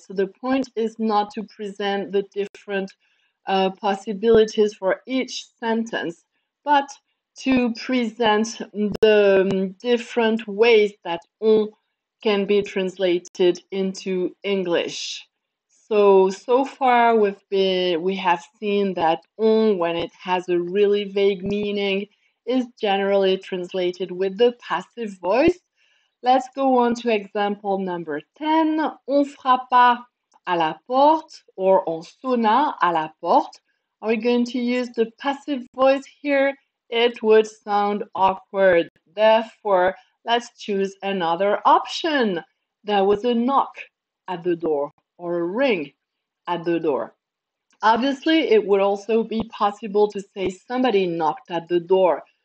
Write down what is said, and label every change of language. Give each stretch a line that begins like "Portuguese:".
English: So the point is not to present the different possibilities for each sentence, but to present the different ways that on can be translated into English. So far we have seen that on, when it has a really vague meaning, is generally translated with the passive voice. Let's go on to example number 10.
French: On frappa à la porte or on sonna à la porte.
English: Are we going to use the passive voice here? It would sound awkward. Therefore, let's choose another option. There was a knock at the door or a ring at the door. Obviously, it would also be possible to say somebody knocked at the door.